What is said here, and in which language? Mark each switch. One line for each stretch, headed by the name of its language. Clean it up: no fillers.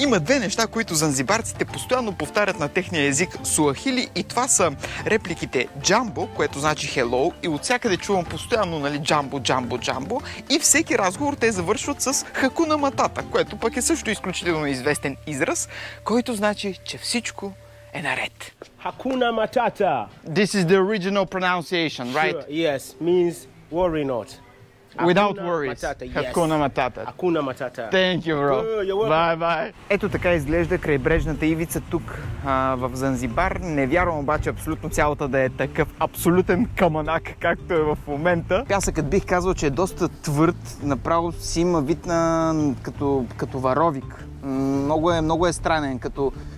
Bulgarian: Има две неща, които занзибарците постоянно повтарят на техния език суахили и това са репликите джамбо, което значи hello, и отсякъде чувам постоянно, нали, джамбо, джамбо, джамбо, и всеки разговор те завършват с хакуна матата, което пък е също изключително известен израз, който значи, че всичко е наред.
Swahili: Hakuna Matata.
English: This is the original pronunciation, sure, right? Yes, means worry not. Hakuna without worries. Matata, yes.
Swahili: Hakuna Matata. Hakuna Matata.
English: Thank you, bro. Bye, bye.
Bulgarian: Ето така изглежда крайбрежната ивица тук в Занзибар. Не вярвам обаче абсолютно цялата да е такъв абсолютен камънак, както е в момента. Пясъкът бих казал, че е доста твърд. Направо си има вид на като варовик. Много е странен, като